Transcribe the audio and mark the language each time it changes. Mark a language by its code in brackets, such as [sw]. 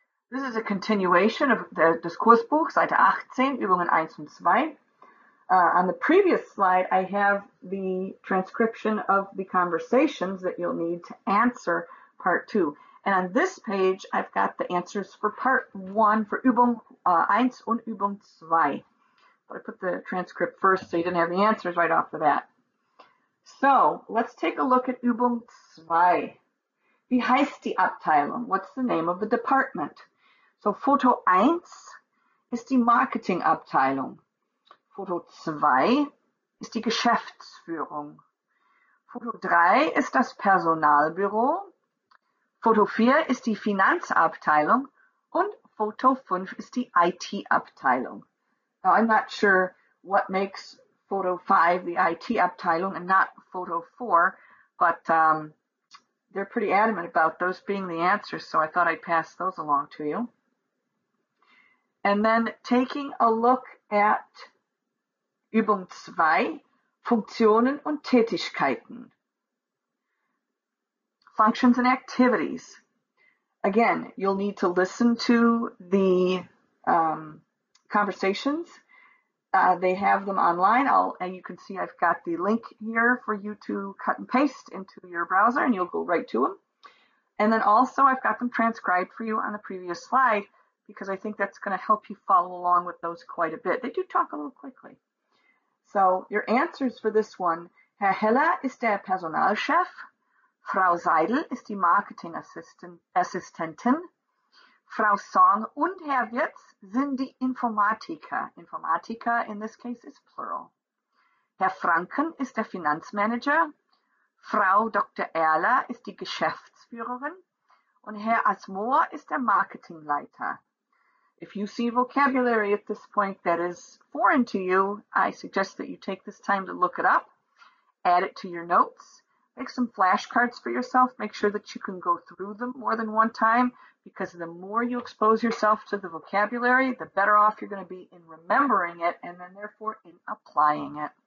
[en] This is a continuation of the Diskursbuch, [de] Seite 18, Übungen 1 und 2. [en] On the previous slide, I have the transcription of the conversations that you'll need to answer part 2. And on this page, I've got the answers for part 1, for [de] Übung 1 und Übung 2. [en] But I put the transcript first so you didn't have the answers right off the bat. So let's take a look at Übung 2. [de] Wie heißt die Abteilung? [en] What's the name of the department? [de] So Foto 1 ist die Marketingabteilung. Foto 2 ist die Geschäftsführung. Foto 3 ist das Personalbüro. Foto 4 ist die Finanzabteilung. Und Foto 5 ist die IT-Abteilung. [en] Now I'm not sure what makes Foto 5 the IT-Abteilung and not Foto 4, but they're pretty adamant about those being the answers, so I thought I'd pass those along to you. And then taking a look at Übung 2, [de] Funktionen und Tätigkeiten. [en] Functions and activities. Again, you'll need to listen to the conversations. They have them online, and you can see I've got the link here for you to cut and paste into your browser, and you'll go right to them. And then also, I've got them transcribed for you on the previous slide, because I think that's going to help you follow along with those quite a bit. They do talk a little quickly. So your answers for this one, [de] Herr Heller ist der Personalchef, Frau Seidel ist die Marketingassistentin, Frau Song und Herr Wirtz sind die Informatiker. Informatiker [en] in this case is plural. [de] Herr Franken ist der Finanzmanager, Frau Dr. Erler ist die Geschäftsführerin und Herr Asmoor ist der Marketingleiter. [en] If you see vocabulary at this point that is foreign to you, I suggest that you take this time to look it up, add it to your notes, make some flashcards for yourself, make sure that you can go through them more than one time, because the more you expose yourself to the vocabulary, the better off you're going to be in remembering it and then therefore in applying it.